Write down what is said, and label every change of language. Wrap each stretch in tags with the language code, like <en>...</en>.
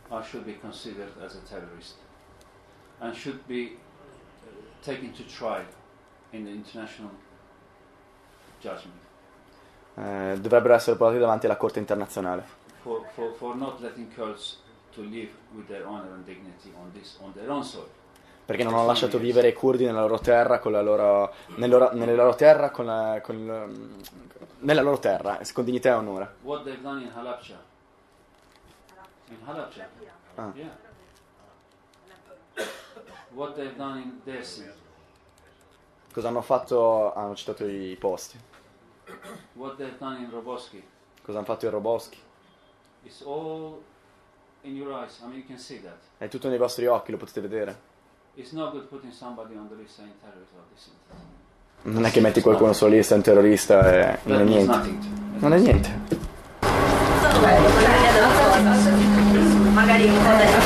<en>I should be considered as a terrorist and should be taken to trial in the international judgment.</en> <it>Dovrebbero essere portati davanti alla Corte internazionale.</it> <en>For not letting Kurds to live with their honor and dignity on this, on their own soil.</en> <it>Perché non hanno lasciato vivere i curdi nella loro terra con la loro nella loro terra con dignità e onore.</it> <en>What they've done in Halabja. Yeah. What they've done in Dersim.</en> <it>Cosa hanno fatto? Hanno citato i posti.</it> <en>What they've done in Roboski.</en> <it>Cosa hanno fatto in Roboski?</it> <en>It's all in your eyes. I mean, you can see that.</en> <it>È tutto nei vostri occhi, lo potete vedere.</it> <en>It's not good putting somebody on the list saying terrorist or dissident.</en> <it>Non è che metti qualcuno sulla lista un terrorista e non è niente. Non è niente. Magari un po' da</it>